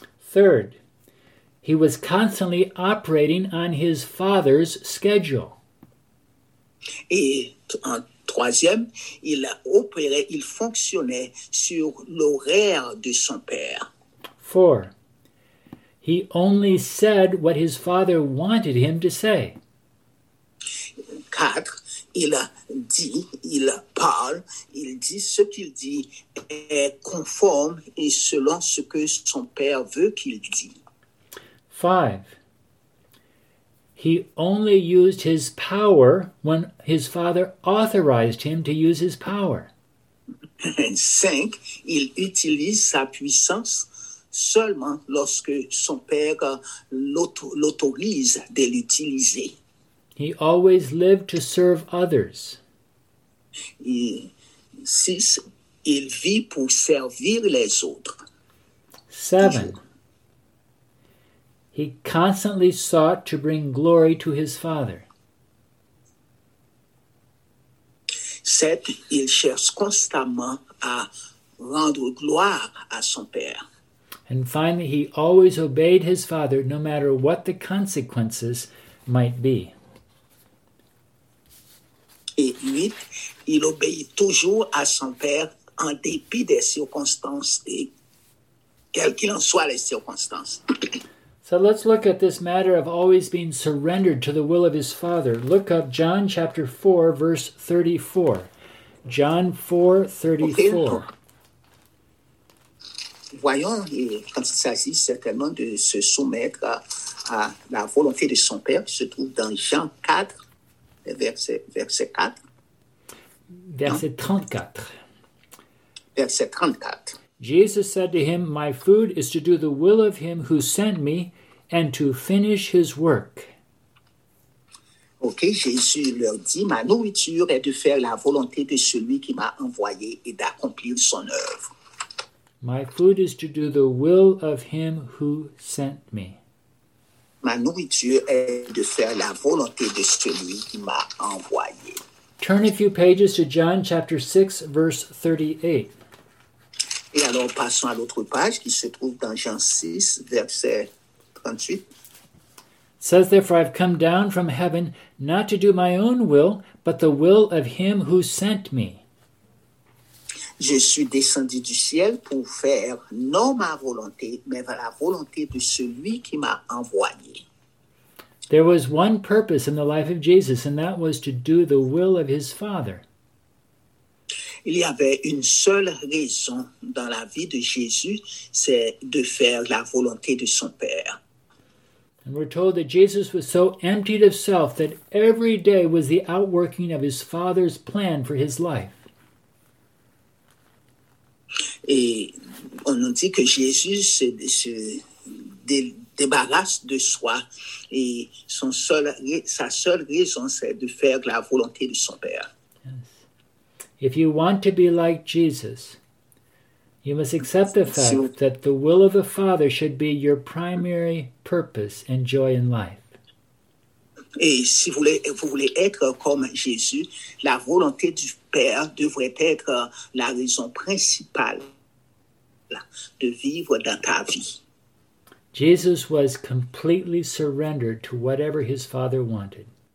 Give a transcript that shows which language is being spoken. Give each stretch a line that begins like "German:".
English: 3. He was constantly operating on his Father's schedule.
French: Et en troisième, il opérait, il fonctionnait sur l'horaire de son père.
English: 4. He only said what his father wanted him to say.
French: 4. Il dit, il parle, il dit ce qu'il dit est conforme et selon ce que son père veut qu'il dit.
English: 5. He only used his power when his father authorized him to use his power.
French: 5. Il utilise sa puissance seulement lorsque son père l'autorise de l'utiliser.
English: He always lived to serve others.
French: 6. Il vit pour servir les autres.
English: 7. He constantly sought to bring glory to his Father.
French: 7. Il cherche constamment à rendre gloire à son Père.
English: And finally, he always obeyed his Father, no matter what the consequences might be.
French: Et 8. Il obéit toujours à son Père en dépit des circonstances, et quelles qu'en soient les circonstances.
English: So let's look at this matter of always being surrendered to the will of his Father. Look up John chapter 4, verse 34. John 4, 34. Okay.
French: Voyons, quand il s'agit certainement de se soumettre à la volonté de son Père, qui se trouve dans Jean 4, verset 4. Verset 34. Verset 34.
English: Jesus said to him, "My food is to do the will of him who sent me, and to finish his work."
French: Ok, Jésus leur dit, ma nourriture est de faire la volonté de celui qui m'a envoyé et d'accomplir son œuvre.
English: My food is to do the will of him who sent me.
French: Ma nourriture est de faire la volonté de celui qui m'a envoyé.
English: Turn a few pages to John chapter 6, verse 38.
French: Et alors passons à l'autre page qui se trouve dans Jean 6, verset
English: It says, therefore, I've come down from heaven not to do my own will, but the will of him who sent me.
French: Je suis descendu du ciel pour faire non ma volonté, mais la volonté de celui qui m'a envoyé.
English: There was one purpose in the life of Jesus, and that was to do the will of his Father.
French: Il y avait une seule raison dans la vie de Jésus, c'est de faire la volonté de son Père.
English: And we're told that Jesus was so emptied of self that every day was the outworking of his Father's plan for his life.
French: Et on nous dit que Jésus se débarrasse de soi et sa seule raison, c'est de faire la volonté de son Père.
English: Yes. If you want to be like Jesus, you must accept the fact that the will of the Father should be your primary purpose and joy in life.
French: Et si vous voulez être comme Jésus, la volonté du Père devrait être la raison principale de vivre dans ta vie.
English: Jesus was completely surrendered to whatever his father wanted.